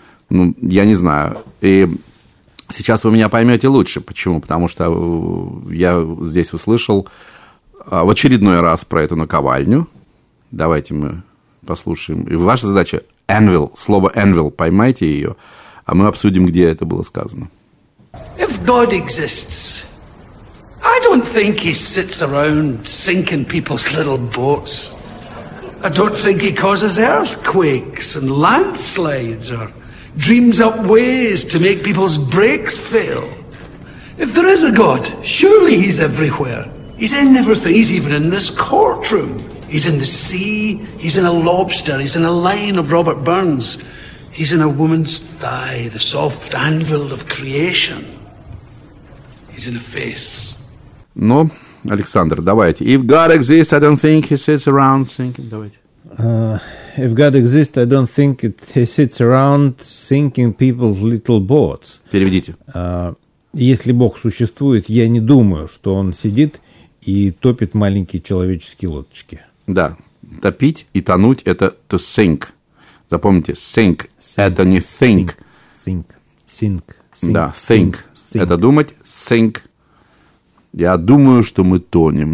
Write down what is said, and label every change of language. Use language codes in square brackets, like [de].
[ru] Ну, я не знаю. И сейчас вы меня поймете лучше. Почему? Потому что я здесь услышал в очередной раз про эту наковальню. Давайте мы послушаем. И ваша задача – anvil. Слово anvil. Поймайте ее, а мы обсудим, где это было сказано. [en] If God exists... I don't think he sits around sinking people's little boats. I don't think he causes earthquakes and landslides or dreams up ways to make people's brakes fail. If there is a God, surely he's everywhere. He's in everything. He's even in this courtroom. He's in the sea. He's in a lobster. He's in a line of Robert Burns. He's in a woman's thigh, the soft anvil of creation. He's in a face. [ru] Но, Александр, давайте. [en] If God exists, I don't think he sits around thinking. [ru] Давайте. [en] If God exists, I don't think he sits around sinking people's little boats. [ru] Переведите. Если Бог существует, я не думаю, что он сидит и топит маленькие человеческие лодочки. Да. Топить и тонуть – это to sink. Запомните, sink – это не think. [en] Sink. [ru] Да, think. Это думать, sink. Я думаю, что мы тонем.